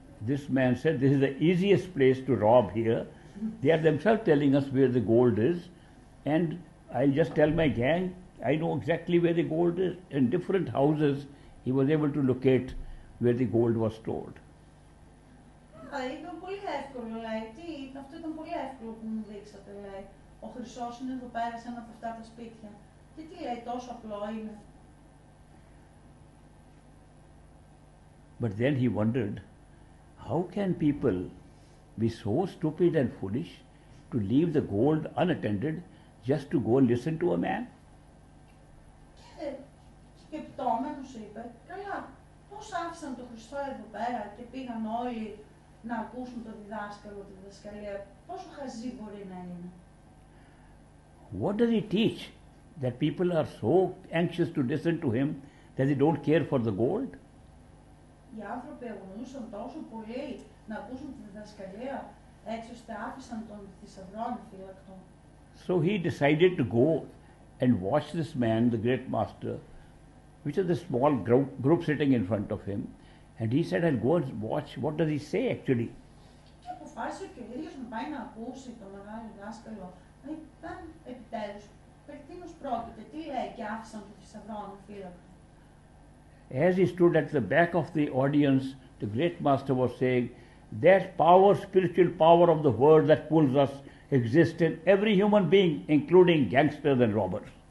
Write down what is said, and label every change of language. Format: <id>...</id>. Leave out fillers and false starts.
<en>This man said, this is the easiest place to rob here. They are themselves telling us where the gold is. And I'll just tell my gang, I know exactly where the gold is. In different houses, he was able to locate where the gold was stored.</en> <el>Ήταν πολύ εύκολο, λέει. Τι ήταν, αυτό ήταν πολύ εύκολο που μου δείξατε, λέει. Ο χρυσός είναι εδώ πέρα σε ένα από αυτά τα σπίτια. Και τι λέει, τόσο απλό είναι.</el> <en>But then he wondered, how can people be so stupid and foolish to leave the gold unattended just to go and listen to a man?</en> <el>Και σκεπτόμενος είπε, καλά, πώς άφησαν το χρυσό εδώ πέρα και πήγαν όλοι να ακούσουν τον διδάσκαλο, τη διδασκαλία, πόσο χαζή μπορεί να είναι.</el> <en>What does he teach that people are so anxious to listen to him that they don't care for the gold?</en> <el>Οι άνθρωποι αγωνούσαν τόσο πολύ να ακούσουν τη διδασκαλία έτσι ώστε άφησαν τον θησαυρό ανεφύλακτο.</el> <en>So he decided to go and watch this man, the great master, which is a small group sitting in front of him, and he said, I'll go and watch, what does he say actually?</en> <el>Και αποφάσισε και ο ίδιος να πάει να ακούσει τον μεγάλο δάσκαλο. Να ήταν επιτέλους, περί τίνος πρόκειται, τι λέει και άφησαν το θησαυρό ανεφύλακτο.</el> <en>as he stood at the back of the audience, the great master was saying, that power, spiritual power of the world that pulls us, exists in every human being, including gangsters and robbers.</en>